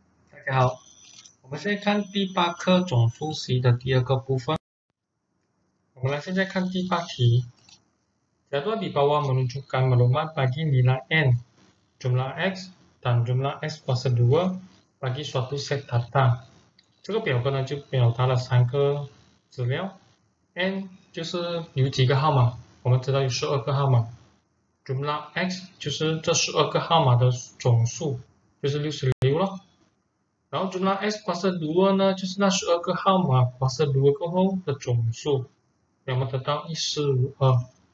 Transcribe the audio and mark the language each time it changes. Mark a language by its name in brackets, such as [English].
[Chinese] 大家好，我们现在看第八课总复习的第二个部分。我们来现在看第八题。 [Malay] Jadual di bawah menunjukkan maklumat bagi nilai n, jumlah x dan jumlah x kuasa 2 bagi suatu set data. [Chinese] 这个表格呢就表达了三个资料。n 就是有几个号码，我们知道有十二个号码。 [Malay] jumlah x [Chinese] 就是这十二个号码的总数，就是66咯。然后 [Malay] jumlah x kuasa 2 [Chinese] 呢，就是那十二个号码 kuasa 2过后的总数，我们得到1452。